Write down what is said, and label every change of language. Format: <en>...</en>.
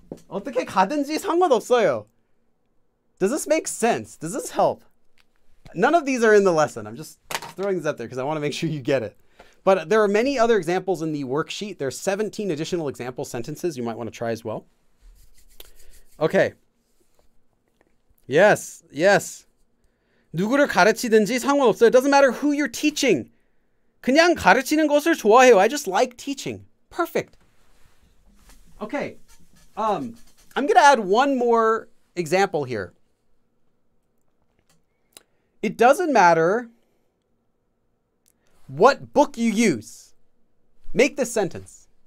<ko>어떻게 가든지 상관없어요.</ko> <en>Does this make sense? Does this help? None of these are in the lesson. I'm just throwing these out there because I want to make sure you get it. But there are many other examples in the worksheet. There are 17 additional example sentences you might want to try as well. Okay. Yes, yes.</en> <ko>누구를 가르치든지 상관없어요.</ko> <en>It doesn't matter who you're teaching.</en> <ko>그냥 가르치는 것을 좋아해요.</ko> <en>I just like teaching. Perfect. Okay. I'm going to add one more example here. It doesn't matter what book you use. Make this sentence.</en>